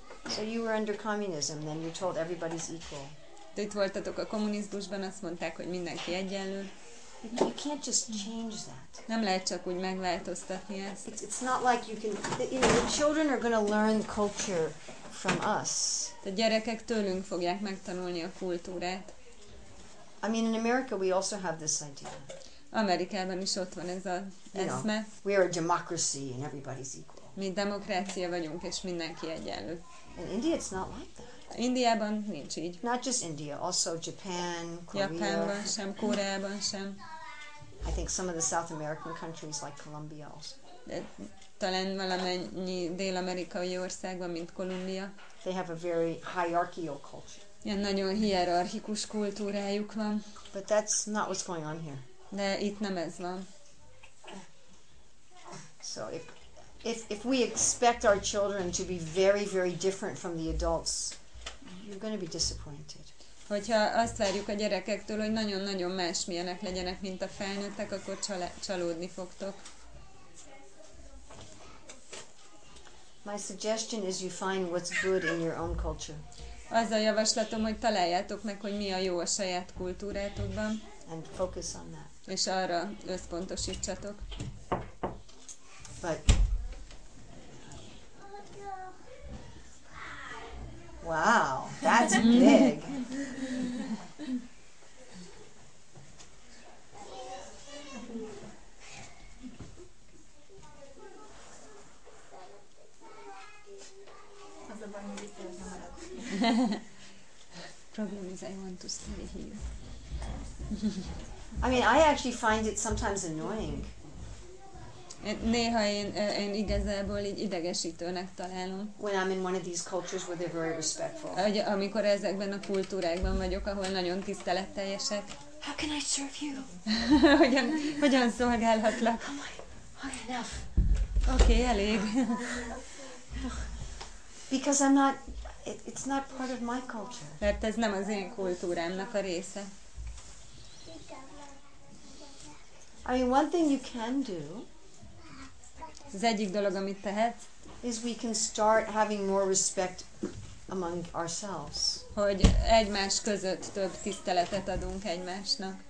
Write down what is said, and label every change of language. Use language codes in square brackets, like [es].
[en] So you were under communism, then you told everybody's equal. [hu] De itt voltatok a kommunizmusban, azt mondták, hogy mindenki egyenlő. [en] You can't just change that. [hu] Nem lehet csak úgy megváltoztatni ezt. [en] It's not like you can. You know, the children are going to learn culture from us. [hu] A gyerekek tőlünk fogják megtanulni a kultúrát. [en] I mean, in America, we also have this idea. [hu] Amerikában is ott van ez a eszme. [en] You know, we are a democracy and everybody's equal. [hu] Mi demokrácia vagyunk és mindenki egyenlő. [en] In India, it's not like that. [hu] Indiában nincs így. [en] Not just India, also Japan, Korea. [hu] Japánban sem, Koreában sem. [en] I think some of the South American countries like Colombia also. [hu] De, talán valamennyi dél-amerikai országban, mint Kolumbia. [en] They have a very hierarchical culture. [hu] Ilyen nagyon hierarchikus kultúrájuk van. [en] But that's not what's going on here. [hu] De itt nem ez van. [en] So if we expect our children to be very, very different from the adults, you're going to be disappointed. [hu] Hogyha azt várjuk a gyerekektől, hogy nagyon-nagyon másmilyenek legyenek, mint a felnőttek, akkor csalódni fogtok. [en] My suggestion is you find what's good in your own culture. [hu] Az a javaslatom, hogy találjátok meg, hogy mi a jó a saját kultúrátokban. [en] And focus on that. [hu] És arra összpontosítsatok. [en] But wow, that's big. Problem is, I want to stay here. I mean, I actually find it sometimes annoying. [hu] Néha én igazából így idegesítőnek találom. [en] When I'm in one of these cultures where they're very respectful. [hu] Amikor ezekben a kultúrákban vagyok, ahol nagyon tiszteletteljesek. [en] How can I serve you? [hu] Hogyan szolgálhatlak? [en] Oh my, okay, enough. [hu] Okay, elég. [en] Because I'm not, it's not part of my culture. [hu] Mert ez nem az én kultúrámnak a része. [en] I mean, one thing you can do. [hu] Az egyik dolog, amit tehet, [en] is we can start having more respect among ourselves. [hu] Hogy egymás között több tiszteletet adunk egymásnak.